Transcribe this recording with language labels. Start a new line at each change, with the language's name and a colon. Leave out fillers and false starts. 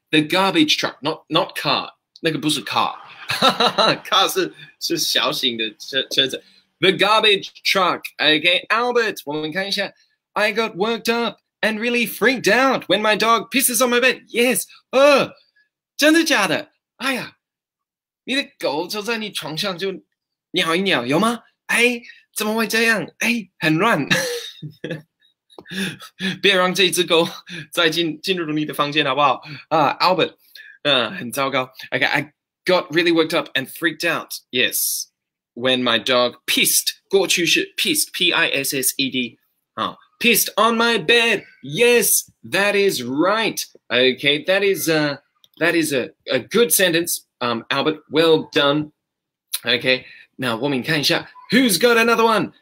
English: The garbage truck, not car.
Chinese: 那个不是
English: car. car
Chinese: 是小型的车子。
English: The garbage truck, okay? Albert,
Chinese: 我们看一下。
English: I got worked up and really freaked out when my dog pisses on my bed.
Chinese: Yes, 真的假的？哎呀，你的狗就在你床上就尿一尿，有吗？哎，怎么会这样？哎，很乱。别让这只狗再进入你的房间好不好Albert 很糟糕
English: Okay, I got really worked up and freaked out Yes, when my dog pissed
Chinese: 过去式
English: pissed P-I-S-S-E-D、Pissed on my bed Yes, that is right Okay, that is a good sentence Albert, well done Okay, now
Chinese: 我们看一下
English: Who's got another one?